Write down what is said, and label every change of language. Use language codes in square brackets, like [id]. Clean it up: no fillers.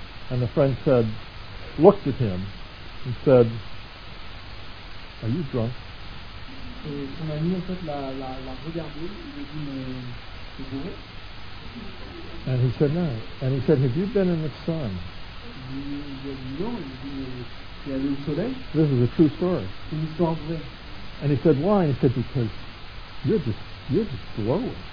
[en] And the friend said, looked at him, and said, "Are you drunk?" [fr] Et son ami en fait l'a regardé, il lui a dit, mais c'est bourré. [en] And he said, "No." And he said, "Have you been in the sun?" [fr] Il a dit, "Non." Il dit, "Tu es allé au soleil?" [en] This is a true story. [fr] C'est une histoire vraie. [en] And he said, "Why?" And he said, "Because you're just glowing."